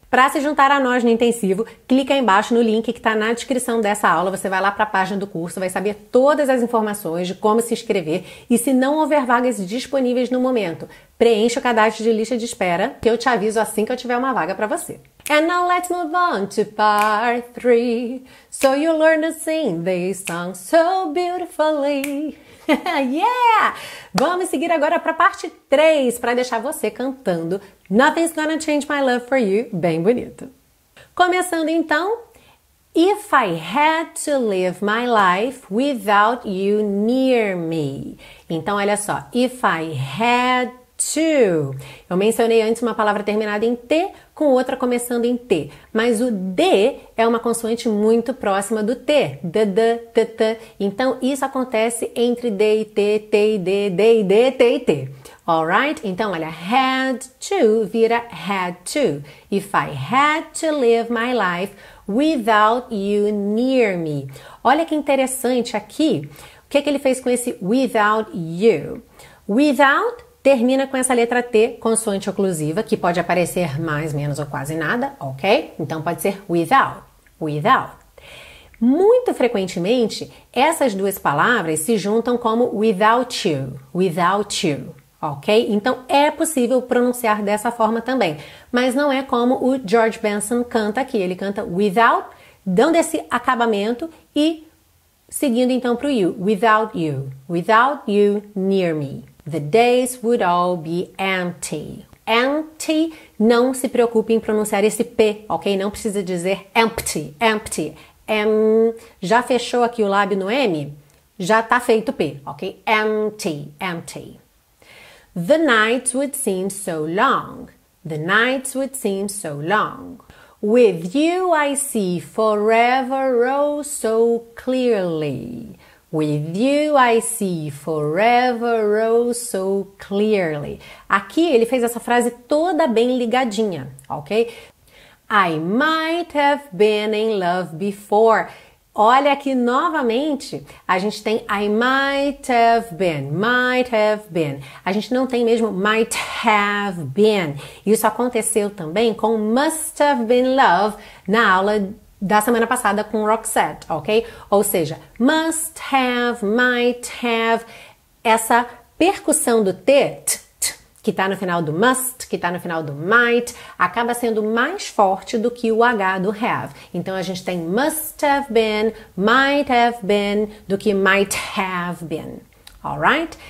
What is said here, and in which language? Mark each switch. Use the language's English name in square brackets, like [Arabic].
[Portuguese] Para se juntar a nós no intensivo, clica aí embaixo no link que está na descrição dessa aula. Você vai lá para a página do curso, vai saber todas as informações de como se inscrever. E se não houver vagas disponíveis no momento, preencha o cadastro de lista de espera, que eu te aviso assim que eu tiver uma vaga para você. [English] And now let's move on to part 3. So you learn to sing this song so beautifully. Yeah! [Portuguese] Vamos seguir agora para a parte 3, para deixar você cantando Nothing's Gonna Change My Love For You, bem bonito. Começando então, [English] If I had to live my life without you near me. [Portuguese] Então, olha só, [English] if I had to. [Portuguese] Eu mencionei antes uma palavra terminada em T com outra começando em T, mas o D é uma consoante muito próxima do T, D, D, T, T. Então, isso acontece entre D e T, T e D, D e D, T e T. [English] Alright? [Portuguese] Então, olha, [English] had to [Portuguese] vira [English] had to. If I had to live my life without you near me. [Portuguese] Olha que interessante aqui. O que é que ele fez com esse [English] without you? [Portuguese] Without termina com essa letra T, consoante oclusiva, que pode aparecer mais, menos ou quase nada, ok? Então, pode ser without, without. Muito frequentemente, essas duas palavras se juntam como [English] without you, without you. [Portuguese] Ok? Então é possível pronunciar dessa forma também, mas não é como o George Benson canta aqui. Ele canta without, dando esse acabamento e seguindo então para o you. [English] Without you, without you near me, the days would all be empty. [Portuguese] Empty, não se preocupe em pronunciar esse P, ok? Não precisa dizer [English] empty, empty. [Portuguese] Já fechou aqui o lábio no M? Já tá feito P, ok? [English] Empty, empty. The nights would seem so long. The nights would seem so long. With you I see forever oh so clearly. With you I see forever oh so clearly. [Portuguese] Aqui ele fez essa frase toda bem ligadinha, ok? [English] I might have been in love before. [Portuguese] Olha aqui novamente, a gente tem [English] I might have been, [Portuguese] a gente não tem mesmo [English] might have been, [Portuguese] isso aconteceu também com [English] must have been love [Portuguese] na aula da semana passada com Roxette, ok? Ou seja, [English] must have, might have, [Portuguese] essa percussão do T, t, t que está no final do must, que está no final do might, acaba sendo mais forte do que o H do have. Então, a gente tem [English] must have been, might have been, [Portuguese] do que [English] might have been. Alright?